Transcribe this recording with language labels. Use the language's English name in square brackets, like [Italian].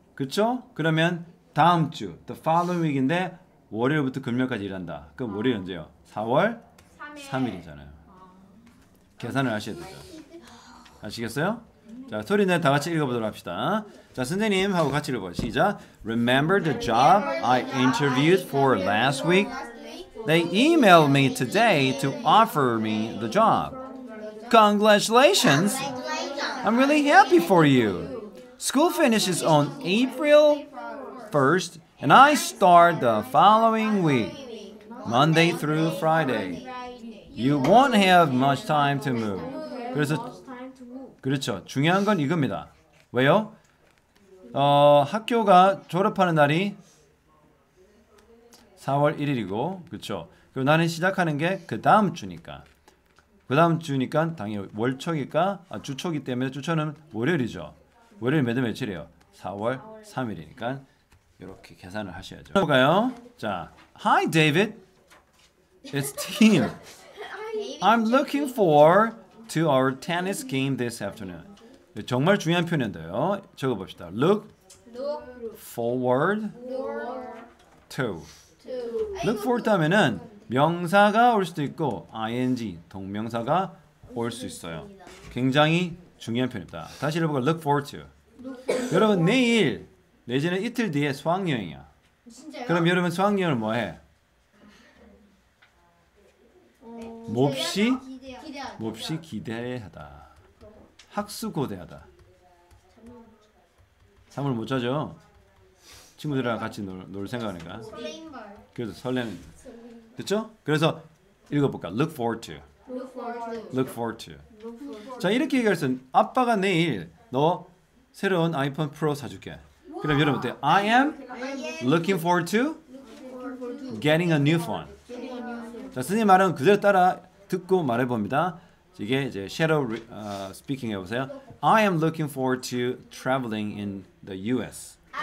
[Korean] 그쵸? 그러면 다음 주, [English] the following week [Korean] 인데 월요일부터 금요일까지 일한다. 그럼 월요일 언제요? 4월 3일. 3일이잖아요. 계산을 하셔야 되죠. 아시겠어요? 자, 소리 내 다 같이 읽어보도록 합시다. 자, 선생님 하고 같이 읽어보세요. 시작. [English] Remember the job I interviewed for last week? They emailed me today to offer me the job. Congratulations! I'm really happy for you. School finishes on April 1st, and I start the following week, Monday through Friday. You won't have much time to move. [Korean] 그래서, 그렇죠. 중요한 건 이겁니다. 왜요? 학교가 졸업하는 날이 4월 1일이고, 그렇죠. 그리고 나는 시작하는 게 그 다음 주니까. 그 다음 주니까 당연히 월 초니까 아, 주 초기 때문에 주 초는 월요일이죠. 월요일 몇 며칠이에요? 4월 3일이니까 이렇게 계산을 하셔야죠. 볼까요? 자, [English] Hi David, it's Tim. I'm looking forward to our tennis game this afternoon. [Korean] 정말 중요한 표현인데요. 적어봅시다. [English] Look forward to. [Korean] Look forward 하면은 명사가 올 수도 있고 ing 동명사가 올 수 있어요. 굉장히 중요한 표현입니다. 다시 읽어볼까요? [English] Look forward to. [Korean] 여러분 내일 내지는 이틀 뒤에 수학여행이야. 진짜요? 그럼 여러분 수학여행을 뭐해? 몹시 몹시 기대하다. 학수고대하다. 잠을 못 자죠? 친구들이랑 같이 놀 생각하니까. 그래서 설레는. 됐죠? 그래서 읽어볼까? [English] Look forward to. Look forward to. Look forward to. [Korean] 자 이렇게 얘기할 수는 아빠가 내일 너 새로운 아이폰 [English] 프로 [Korean] 사줄게. 그럼 여러분 어때? [English] I am looking forward to getting a new phone. [Korean] 자 선생님 말은 그대로 따라 듣고 말해봅니다. 이게 이제 shadow speaking 해보세요. [English] I am looking forward to traveling in the U.S.